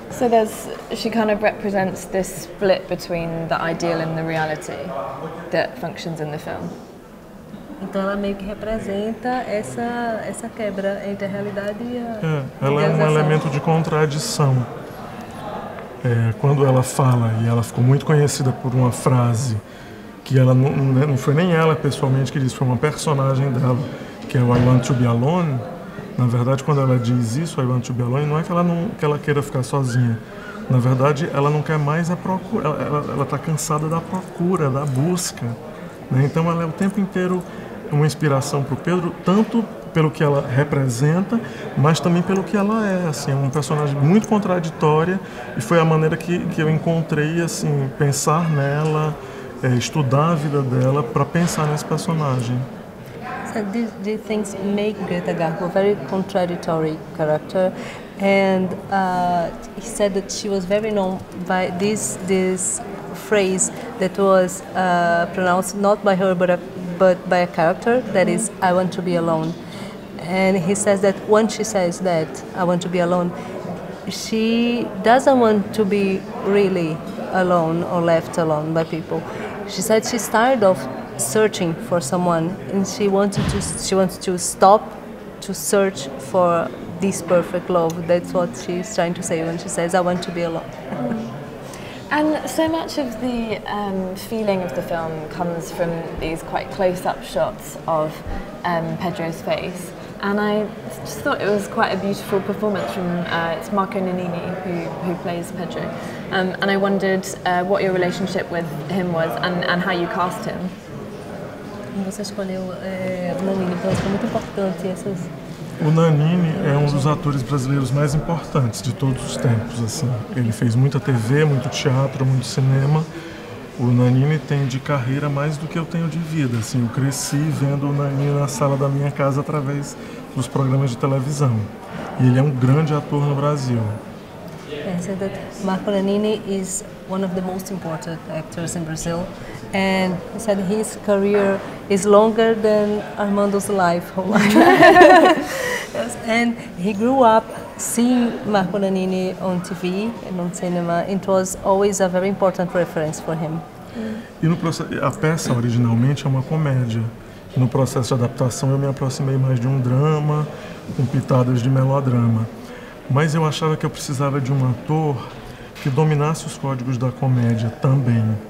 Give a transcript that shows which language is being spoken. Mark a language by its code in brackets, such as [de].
[en] So there's, she kind of represents this split between the ideal and the reality that functions in the film. [pt] Então ela meio que representa essa quebra entre a realidade e a... É, ela é um elemento de contradição. É, quando ela fala, e ela ficou muito conhecida por uma frase que ela não foi nem ela pessoalmente que disse, foi uma personagem dela, que é o [en] I want to be alone. [pt] Na verdade, quando ela diz isso, [en] I want to be alone, [pt] não é que ela, não, que ela queira ficar sozinha. Na verdade, ela não quer mais a procura, ela está cansada da procura, da busca. Né? Então, ela é o tempo inteiro uma inspiração para o Pedro, tanto pelo que ela representa, mas também pelo que ela é. Assim, é um personagem muito contraditória e foi a maneira que eu encontrei assim, pensar nela, estudar a vida dela para pensar nesse personagem. [en] So these things make Greta Garbo a very contradictory character, and he said that she was very known by this phrase that was pronounced not by her but by a character, that is, I want to be alone. And he says that when she says that, I want to be alone, she doesn't want to be really alone or left alone by people. She said she started off searching for someone, and she wanted to stop to search for this perfect love. That's what she's trying to say when she says, I want to be alone. And so much of the feeling of the film comes from these quite close-up shots of Pedro's face. And I just thought it was quite a beautiful performance from it's Marco Nannini who plays Pedro. And I wondered what your relationship with him was and how you cast him. [pt] Você escolheu o Nannini, então foi muito importante essas... O Nannini é um dos atores brasileiros mais importantes de todos os tempos, assim. Ele fez muita TV, muito teatro, muito cinema. O Nannini tem de carreira mais do que eu tenho de vida, assim. Eu cresci vendo o Nannini na sala da minha casa através dos programas de televisão. E ele é um grande ator no Brasil. [en] Marco Nannini is one of the most important actors in Brazil. And he said his career is longer than Armando's life, whole life. Yes. And he grew up seeing Marco Nannini on TV and on cinema. It was always a very important reference for him. [pt] E no processo, a peça originalmente é uma comédia. No processo de adaptação eu me aproximei mais de um drama, com pitadas de melodrama. Mas eu achava que eu precisava de um ator que dominasse os códigos da comédia também.